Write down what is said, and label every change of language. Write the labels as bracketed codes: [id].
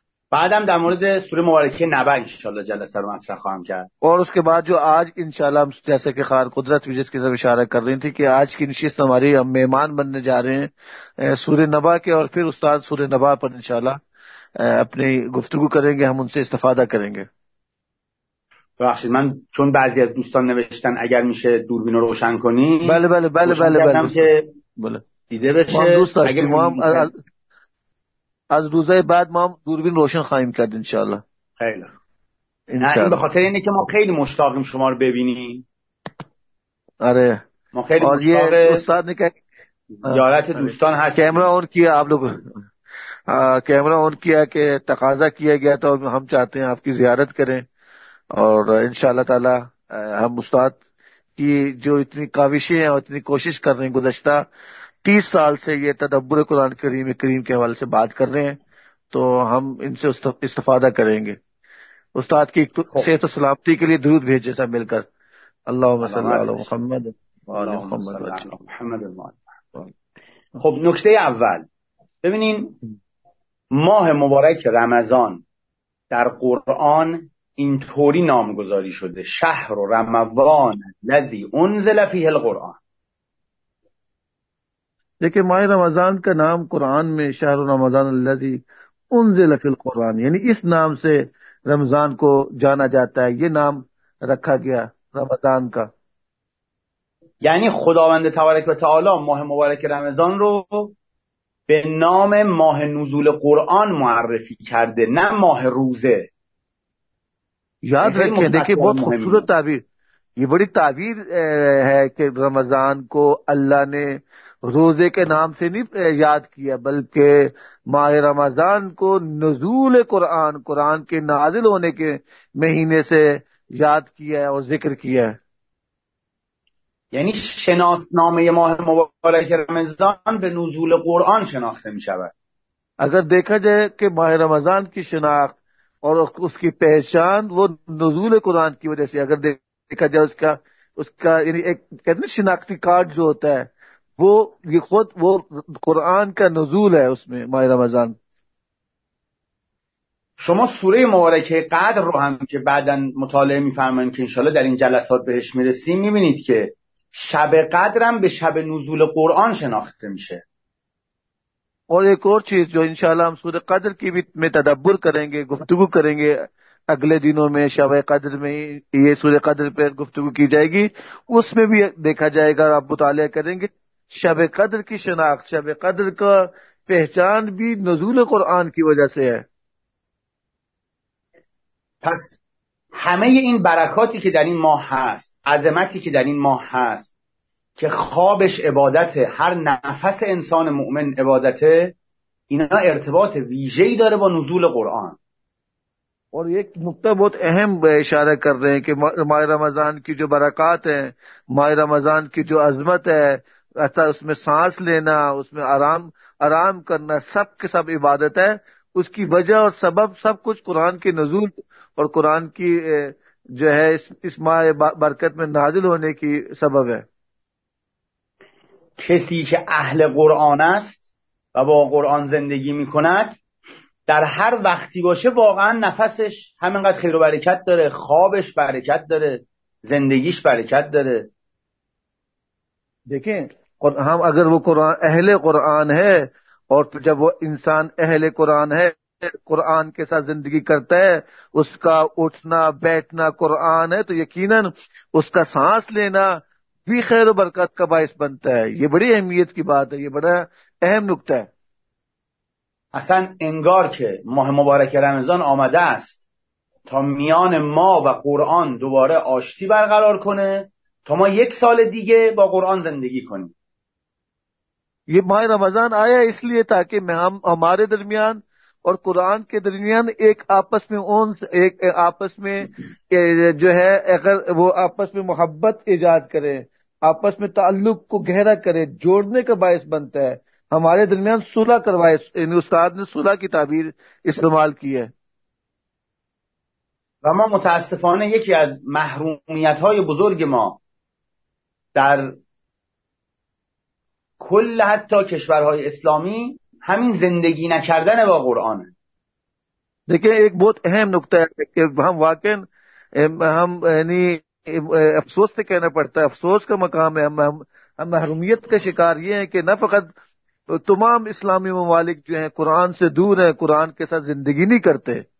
[fa] بعد هم در مورد سوره مبارکه نبع انشاءالله جلسه رو مطرح خواهم کرد. [ur] اور اس کے بعد جو آج انشاءالله ہم جیسے کہ خار قدرت وجز کی طرف اشارہ کر رہی تھی کہ آج کی نشست ہماری ہم مہمان بننے جا رہے ہیں سوره نبع کے، اور پھر استاد سوره نبع پر انشاءالله اپنی گفتگو کریں گے، ہم ان سے استفادہ کریں گے. [fa] ببخشید من چون بعضی از دوستان نوشتن اگر میشه دوربین رو روشن کنی. بله بله بله بله بله که بله. دیده بشه. ما دوست داشتیم از روزه بعد ما هم دوربین روشن خواهیم کرد انشاءالله. خیلی این به خاطر اینه که ما خیلی مشتاقیم شما رو ببینیم. آره ما خیلی مشتاق استاد نکا زیارت دوستان هست. [ur] کیمرا اون کیا آپ لوگ کیمرا اون کیا کہ تقاضا کیا گیا تھا اور ہم چاہتے ہیں آپ کی زیارت کریں، اور انشاءاللہ تعالی ہم استاد کی جو اتنی کاوشیں ہیں اور اتنی کوشش کر رہے ہیں گزشتہ 30 سال سے یہ تدبر قرآن کریم کریم کے حوالے سے بات کر رہے ہیں، تو ہم ان سے استفادہ کریں گے. استاد کی صحت و سلامتی کے لیے درود بھیجے سب مل کر. [ar] اللہم صلی اللہ علیہ محمد و محمد. [fa] خب نکته اول ببینین، ماه مبارک رمضان در قرآن اینطوری نامگذاری شده: [ar] شهر و رمضان الذی انزل فیه القرآن. [ur] دیکھیں ماہ رمضان کا نام قرآن میں [ar] شهر رمضان الذی انزل فی القرآن، [ur] یعنی اس نام سے رمضان کو جانا جاتا ہے، یہ نام رکھا گیا رمضان کا، [fa] یعنی خداوند تبارک و تعالی ماه مبارک رمضان رو به نام ماه نزول قرآن معرفی کرده نه ماه روزه. [ur] یاد رکھیں، دیکھیں بہت خوبصورت تعبیر، یہ بڑی تعبیر ہے کہ رمضان کو اللہ نے روزے کے نام سے نہیں یاد کیا بلکہ ماہ رمضان کو نزول قرآن، قرآن کے نازل ہونے کے مہینے سے یاد کیا ہے اور ذکر کیا ہے. [fa] یعنی شناسنامه ماه مبارک رمضان به نزول قرآن شناخته می شود. [ur] اگر دیکھا جائے کہ ماہ رمضان کی شناخت اور اس کی پہچان وہ نزول قرآن کی وجہ سے، اگر دیکھا جائے اس کا یعنی ایک کہتے ہیں شناختی کارڈ جو ہوتا ہے، وہ یہ خود وہ قرآن کا نزول ہے اس میں ماہ رمضان. [fa] شما سوره مبارکه قدر رو هم که بعدا مطالعه می فرمایم که انشاءالله در این جلسات بهش می رسیم، می بینید که شب قدر هم به شب نزول قرآن شناخته میشه. [ur] اور ایک اور چیز جو انشاءاللہ ہم سورہ قدر کی بھی میں تدبر کریں گے، گفتگو کریں گے اگلے دنوں میں، شب قدر میں یہ سورہ قدر پر گفتگو کی جائے گی، اس میں بھی دیکھا جائے گا، آپ مطالعہ کریں گے شب قدر کی شناخت، شب قدر کا پہچان بھی نزول قرآن کی وجہ سے ہے. [fa] پس همه این برکاتی که در این ماه هست، عظمتی که در این ماه هست که خوابش عبادته، هر نفس انسان مؤمن عبادته، اینا ارتباط ویژه‌ای داره با نزول قرآن. [ur] اور ایک نقطہ بہت اہم اشارہ کر رہے ہیں کہ ماہ رمضان کی جو برکات ہیں، ماہ رمضان کی جو عظمت ہے، اس میں سانس لینا، اس میں آرام کرنا، سب کے سب عبادت ہے، اس کی وجہ اور سبب سب کچھ قرآن کے نزول اور قرآن کی جو ہے اس ماہ برکت میں نازل ہونے کی سبب ہے. [fa] کسی که اهل قرآن است و با قرآن زندگی می کند، در هر وقتی باشه واقعا نفسش همینقدر خیر و برکت داره، خوابش برکت داره، زندگیش برکت داره. [ur] دیکھیں ہم اگر وہ قرآن اہل قرآن ہے، اور جب وہ انسان اہل قرآن ہے، قرآن کے ساتھ زندگی کرتا ہے، اس کا اٹھنا بیٹھنا قرآن ہے، تو یقیناً اس کا سانس لینا بھی خیر و برکت کا باعث بنتا ہے. یہ بڑی اہمیت کی بات ہے، یہ بڑا اہم نقطہ ہے. [fa] اصلا انگار که ماه مبارک رمضان آمده است تا میان ما و قرآن دوباره آشتی برقرار کنه، تا ما یک سال دیگه با قرآن زندگی کنیم. [ur] یہ ماہ رمضان آیا اس لیے تاکہ میں ہم ہمارے درمیان اور قرآن کے درمیان ایک آپس میں اونس، ایک آپس میں جو ہے اگر وہ آپس میں محبت ایجاد کرے، آپس میں تعلق کو گہرا کرے، جوڑنے کا باعث بنتا ہے، ہمارے درمیان صلح کروائے. یعنی استاد نے صلح کی تعبیر استعمال کی ہے. [fa] و ما متاسفانه یکی از محرومیت های بزرگ ما در کل حتی کشورهای اسلامی همین زندگی نکردن با قرآنه. [ur] دیکھیں ایک بہت اہم نقطہ ہے کہ ہم واقع ہم یعنی افسوس سے کہنا پڑتا ہے، افسوس کا مقام ہے. ہم محرومیت کا شکار یہ ہیں کہ نہ فقط تمام اسلامی ممالک جو ہیں قرآن سے دور ہیں، قرآن کے ساتھ زندگی نہیں کرتے.